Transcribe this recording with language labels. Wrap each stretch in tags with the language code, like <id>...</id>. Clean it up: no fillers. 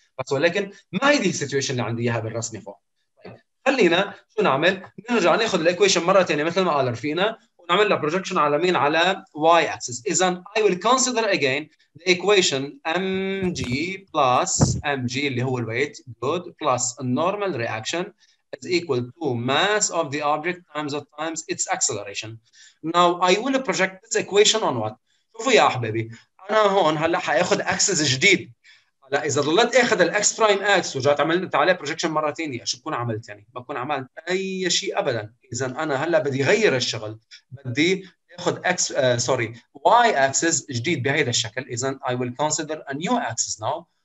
<ar>بس ولكن ما هيدي السيتويشن اللي عندي اياها بالرسمه فوق. طيب خلينا شو نعمل؟ نرجع ناخذ الايكويشن مره ثانيه مثل ما قال رفينا ونعمل لها بروجكشن على مين؟ على واي اكسس.</ar> <en>اذا I will consider again the equation m g plus m g</en> <ar>اللي هو</ar> <en>الويت جود بلس النورمال reaction is equal to mass of the object times of times its acceleration. Now I will project this equation on what?</en> <ar>شوفوا يا احبابي انا هون هلا حاخذ اكسس جديد. هلا اذا ضليت اخذ الاكس برايم اكس ورجعت عملت عليه بروجكشن مره ثانيه شو بكون عملت؟ يعني ما بكون عملت اي شيء ابدا. اذا انا هلا بدي غير الشغل، بدي اخذ اكس سوري واي اكسس جديد بهذا الشكل. اذا</ar> <en>I will consider a new axis now.</en>